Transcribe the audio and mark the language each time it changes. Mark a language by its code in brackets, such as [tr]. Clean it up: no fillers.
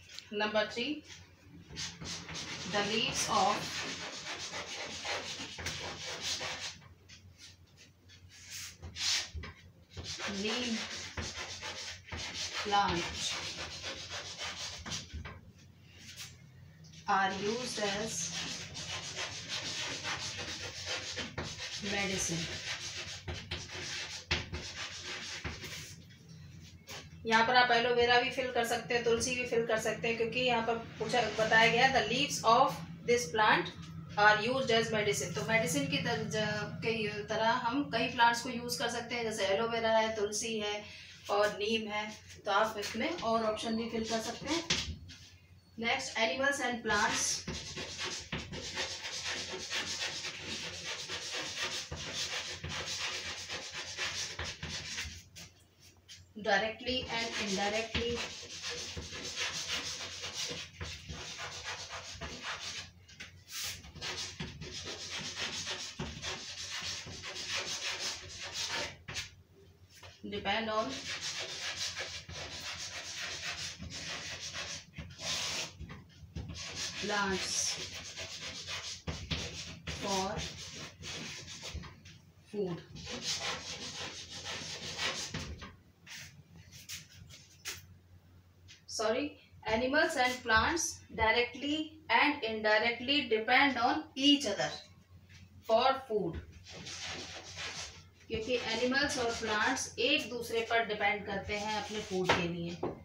[en] Number 3, the leaves of neem plant are used as medicine. [hi] यहाँ पर आप aloe vera भी फिल कर सकते हैं, तुलसी भी फिल कर सकते हैं, क्योंकि यहाँ पर पूछा बताया गया [en] the leaves of this plant are used as medicine. [hi] तो medicine की तरह हम कई plants को use कर सकते हैं, जैसे एलोवेरा है, तुलसी है और नीम है. तो आप इसमें और option भी फिल कर सकते हैं. [en] Next, animals and plants directly and indirectly depend on plants for food. Sorry, animals and plants directly and indirectly depend on each other for food. [hi] क्योंकि animals और plants एक दूसरे पर depend करते हैं अपने food के लिए.